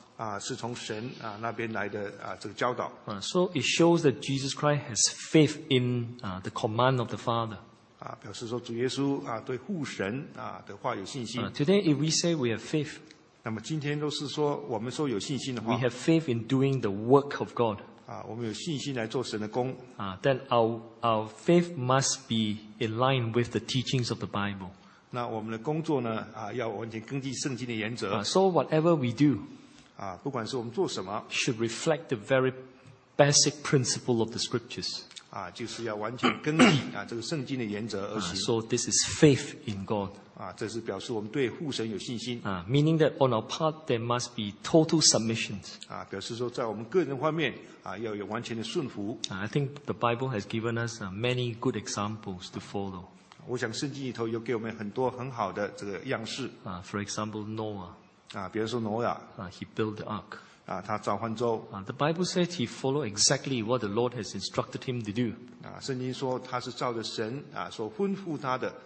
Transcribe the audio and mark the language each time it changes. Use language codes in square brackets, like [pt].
[zh] 啊，是从神啊那边来的啊这个教导。 [en] So it shows that Jesus Christ has faith in the command of the Father. [zh] 啊，表示说主耶稣啊对父神啊的话有信心。 [en] Today if we say we have faith. [zh] 那么今天都是说我们说有信心的话 [en] ，We have faith in doing the work of God. [zh] 啊，我们有信心来做神的工。啊 [en] ，Then our faith must be in line with the teachings of the Bible. [zh] 那我们的工作呢？啊，要完全根据圣经的原则。 [en] So whatever we do, [zh] 啊，不管是我们做什么 [en] ，should reflect the very basic principle of the Scriptures. [zh] 啊，就是要完全根据啊这个圣经的原则而行。 [en] So this is faith in God. [zh] 啊，这是表示我们对父神有信心。 [en] Meaning that on our part there must be total submission. [zh] 啊，表示说在我们个人方面啊，要有完全的顺服。 [en] I think the Bible has given us many good examples to follow. [zh] 我想圣经里头有给我们很多很好的这个样式。 [en] For example, Noah. [zh] 啊，比如说挪亚。 [en] He built the ark. [zh] 啊，他造方舟。 [en] The Bible says he followed exactly what the Lord has instructed him to do. [zh] 啊，圣经说他是照着神啊所吩咐他的。